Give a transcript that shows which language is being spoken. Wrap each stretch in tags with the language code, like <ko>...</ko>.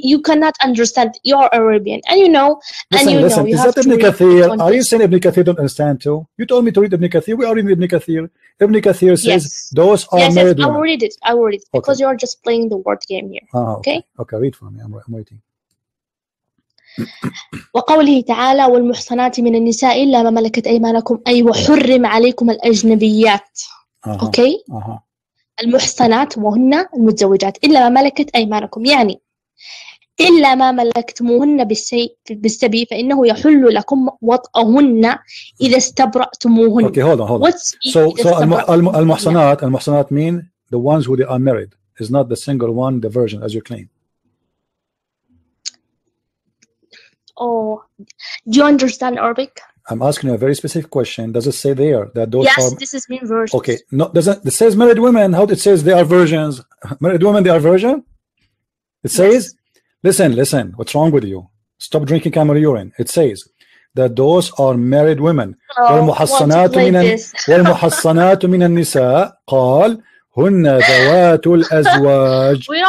<en>You cannot understand. You are Arabian. And you know. Listen, and you listen. Know. You is that Ibn Kathir? Are you saying Ibn Kathir don't understand too? You told me to read Ibn Kathir. We are in Ibn Kathir. Ibn Kathir says those are married. Yes, I will read it. I will read it. Okay. Because you are just playing the word game here. Oh, okay, read for me. I'm waiting.</en> <ar>وقوله تعالى والمحصنات من النساء إلا ما ملكت أيمانكم أي وحرم عليكم الأجنبيات.</ar> <en>Okay.</en> <ar>المحصنات وهن المتزوجات إلا ما ملكت أيمانكم يعني إلا ما ملكتموهن بالسبي فإنه يحل لكم وطئهن إذا استبرأتموهن.</ar> <en>Okay, hold on. So المحصنات mean the ones who they are married. It's not the single one, the virgin, as you claim. Oh, do you understand Arabic? I'm asking you a very specific question. Does it say there that those are... Yes, this is mean versions. Okay, no, doesn't it says married women? How it says they are virgins? Married women, they are virgin? It says, listen, what's wrong with you? Stop drinking camel urine. It says that those are married women.</en> <ar>وَالْمُحَصَّنَاتُ مِنَ النِّسَاءِ قَالْ هن ذوات الأزواج.</ar>